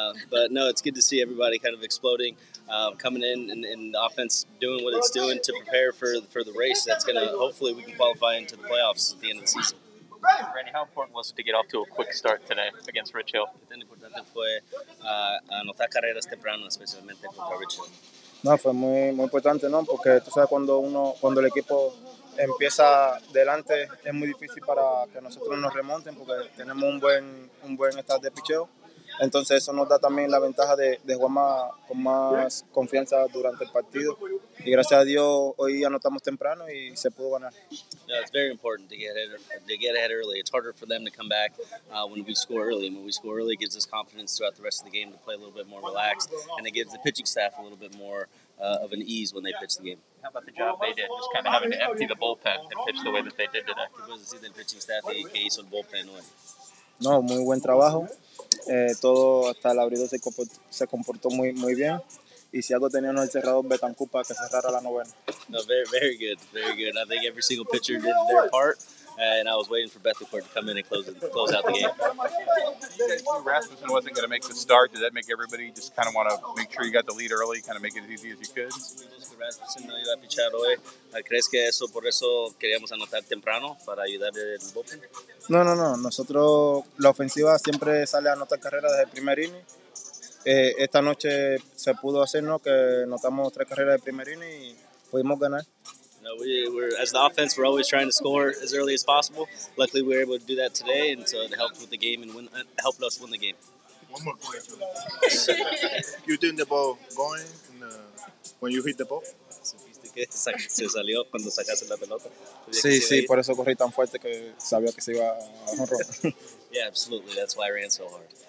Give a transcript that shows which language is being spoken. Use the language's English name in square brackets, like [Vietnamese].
[English] But no, it's good to see everybody kind of exploding, coming in and the offense doing what it's doing to prepare for the race. That's going to hopefully we can qualify into the playoffs at the end of the season. Randy, how important was it to get off to a quick start today against Rich Hill? [Spanish] ¿Qué tan importante fue anotar carreras temprano, especialmente contra Rich Hill? No, fue muy, muy importante, ¿no? Porque tú sabes, cuando el equipo empieza delante, es muy difícil para que nosotros nos remonten porque tenemos un buen estado de picheo. Entonces eso nos da también la ventaja de jugar con más confianza durante el partido. Y gracias a Dios, hoy anotamos temprano y se pudo ganar. [English] No, it's very important to get ahead early. It's harder for them to come back when we score early. And when we score early, it gives us confidence throughout the rest of the game to play a little bit more relaxed. And it gives the pitching staff a little bit more of an ease when they pitch the game. How about the job they did, just kind of having to empty the bullpen and pitch the way that they did today? [Spanish] ¿Qué puedes decir del pitching staff y qué hizo el bullpen hoy? No, muy buen trabajo. Todo hasta el abridor se comportó muy, muy bien. Y si algo tenía no el cerrador, Betancourt para que cerrara la novena. [English] No, very, very good, very good. I think every single pitcher did their part. And I was waiting for Betancourt to come in and close out the game. Rasmussen wasn't going to make the start. Did that make everybody just kind of want to make sure you got the lead early, kind of make it as easy as you could? [Spanish] Rasmussen no iba a pichar hoy. ¿Crees que eso por eso queríamos anotar temprano para ayudar el bullpen? No. Nosotros, la ofensiva siempre sale a anotar carreras desde el primer inning. Esta noche se pudo hacer, ¿no? Que anotamos tres carreras de primer inning y pudimos ganar. [English] No, we're as the offense, we're always trying to score as early as possible. Luckily, we were able to do that today, and so it helped with the game and helped us win the game. One more question. You think the ball going when you hit the ball? [Spanish] Se salió cuando sacaste la pelota. Sí, por eso corrí tan fuerte que sabía que se iba a romper. [English] Yeah, absolutely. That's why I ran so hard.